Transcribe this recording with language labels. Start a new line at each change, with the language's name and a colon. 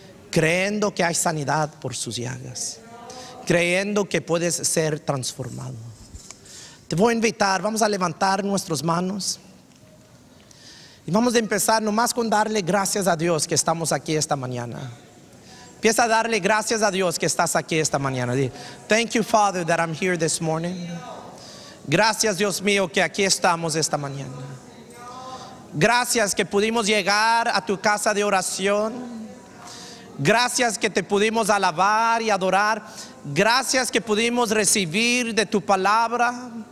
Spanish: Creyendo que hay sanidad por sus llagas. Creyendo que puedes ser transformado. Te voy a invitar, vamos a levantar nuestras manos. Y vamos a empezar nomás con darle gracias a Dios que estamos aquí esta mañana. Empieza a darle gracias a Dios que estás aquí esta mañana.
English: Thank you, Father, that I'm here this morning.
Spanish: Gracias, Dios mío, que aquí estamos esta mañana. Gracias que pudimos llegar a tu casa de oración. Gracias que te pudimos alabar y adorar. Gracias que pudimos recibir de tu palabra.